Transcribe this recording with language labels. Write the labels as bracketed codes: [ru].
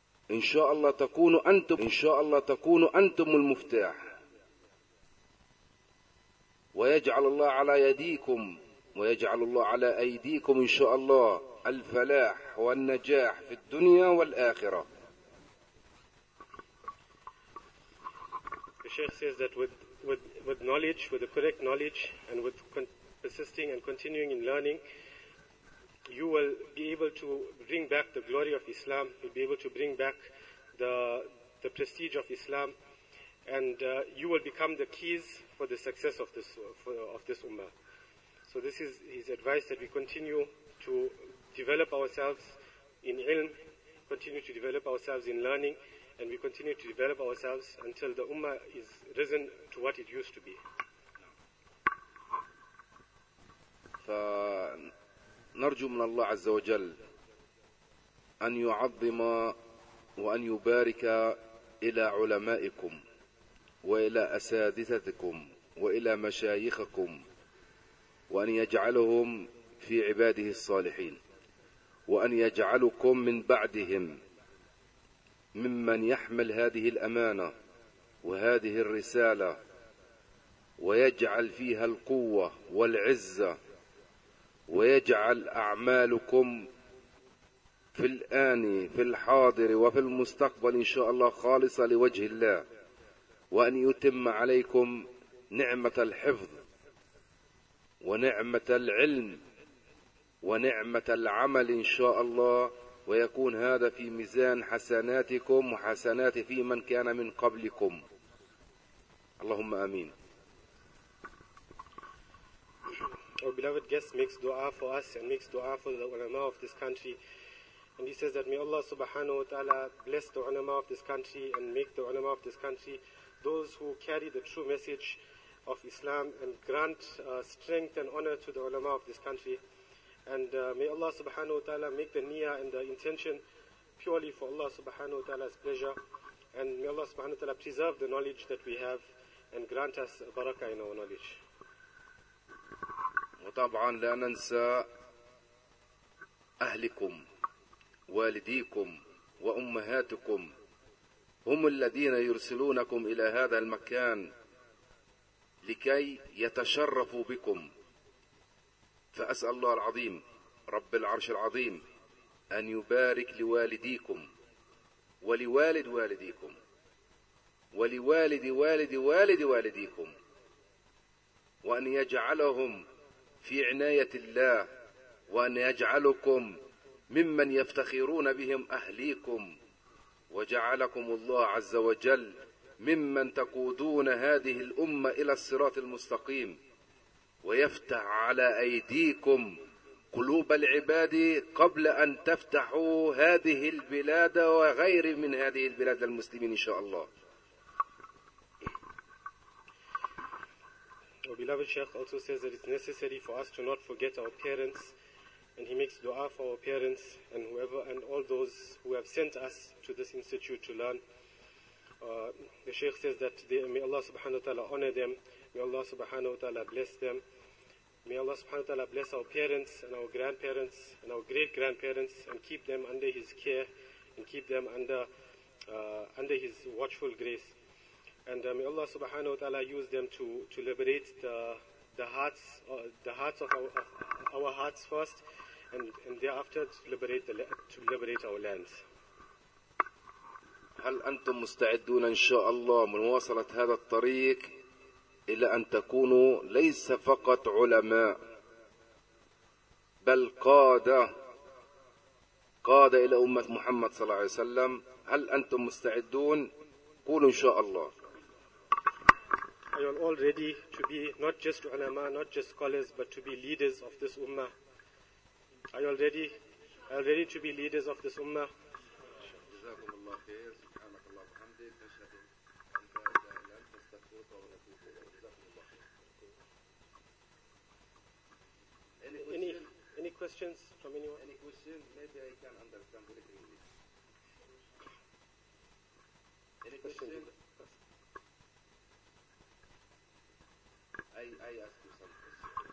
[ar] إن شاء الله تكونوا أنتم، إن شاء الله تكونوا أنتم المفتاح، ويجعل الله على يديكم ويجعل الله على أيديكم إن شاء الله الفلاح والنجاح في الدنيا والآخرة. [en] The Sheikh says that with knowledge, with the correct knowledge, and with persisting and continuing in learning, you will be able to bring back the glory of Islam. You'll be able to bring back the prestige of Islam, and you will become the keys for the success of this ummah. So this is his advice, that we continue to develop ourselves in ilm, continue to develop ourselves in learning, and we continue to develop ourselves until the ummah is risen to what it used to be. [ar] نرجو من الله عز وجل أن يعظم وأن يبارك إلى علمائكم وإلى أساتذتكم وإلى مشايخكم، وأن يجعلهم في عباده الصالحين، وأن يجعلكم من بعدهم ممن يحمل هذه الأمانة وهذه الرسالة، ويجعل فيها القوة والعزة، ويجعل أعمالكم في الآن في الحاضر وفي المستقبل إن شاء الله خالصة لوجه الله، وأن يتم عليكم نعمة الحفظ ونعمة العلم ونعمة العمل إن شاء الله، ويكون هذا في ميزان حسناتكم وحسنات في من كان من قبلكم. اللهم آمين. [en] Our beloved guest makes dua for us and makes dua for the ulama of this country. And he says that may Allah subhanahu wa ta'ala bless the ulama of this country and make the ulama of this country those who carry the true message of Islam, and grant strength and honor to the ulama of this country. And may Allah subhanahu wa ta'ala make the niyyah and the intention purely for Allah subhanahu wa ta'ala's pleasure. And may Allah subhanahu wa ta'ala preserve the knowledge that we have and grant us barakah in our knowledge. [ar] وطبعا لا ننسى أهلكم، والديكم وأمهاتكم، هم الذين يرسلونكم إلى هذا المكان لكي يتشرفوا بكم. فأسأل الله العظيم رب العرش العظيم أن يبارك لوالديكم ولوالد والديكم ولوالد والد والد والديكم، وأن يجعلهم في عناية الله، وأن يجعلكم ممن يفتخرون بهم أهليكم، وجعلكم الله عز وجل ممن تقودون هذه الأمة إلى الصراط المستقيم، ويفتح على أيديكم قلوب العباد قبل أن تفتحوا هذه البلاد وغير من هذه البلاد للمسلمين إن شاء الله. [en] Our beloved Sheikh also says that it's necessary for us to not forget our parents, and he makes dua for our parents and whoever and all those who have sent us to this institute to learn. The Sheikh says that may Allah subhanahu wa ta'ala honor them, may Allah subhanahu wa ta'ala bless them, may Allah subhanahu wa ta'ala bless our parents and our grandparents and our great-grandparents, and keep them under his care and keep them under his watchful grace. And may Allah subhanahu wa ta'ala use them to liberate the hearts of our hearts first, and thereafter to liberate our lands. [ar] هل أنتم مستعدون إن شاء الله من مواصلة هذا الطريق إلى أن تكونوا ليس فقط علماء بل قادة إلى أمة محمد صلى الله عليه وسلم؟ هل أنتم مستعدون؟ قولوا إن شاء الله. [en] Are you all ready to be not just ulama, not just scholars, but to be leaders of this ummah? Are you all ready? Are you ready to be leaders of this ummah? [ar] الله خير. سبحانك الله وبحمدك، أشهد أن لا إله إلا أنت، أستغفرك وأتوب إليك. جزاكم الله خير. [en] Any questions from anyone? Any questions? Maybe I can understand what it means. I ask you some questions.